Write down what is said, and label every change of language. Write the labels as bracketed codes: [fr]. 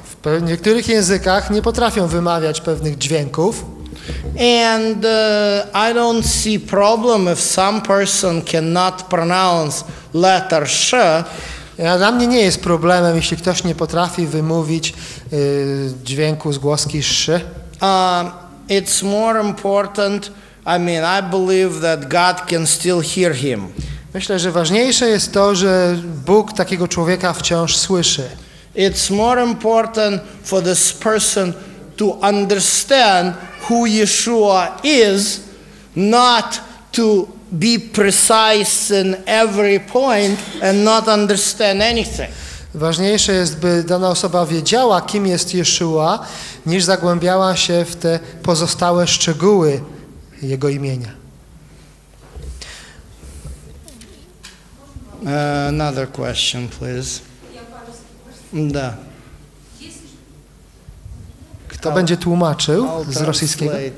[pl] W niektórych językach nie potrafią wymawiać pewnych dźwięków. [en] And I don't see problem if some person cannot pronounce letter sh. [pl] Dla mnie nie jest problemem, jeśli ktoś nie potrafi wymówić dźwięku z głoski sz. [en] It's more important. I mean, I believe that God can still hear him. [pl] Myślę, że ważniejsze jest to, że Bóg takiego człowieka wciąż słyszy. [en] It's more important for this person to understand who Yeshua is, not to be precise in every point and not understand anything. [pl] Ważniejsze jest, by dana osoba wiedziała, kim jest Yeshua, niż zagłębiała się w te pozostałe szczegóły jego imienia. [en] Another question, please. [ru] Da. [pl] Kto będzie tłumaczył z rosyjskiego?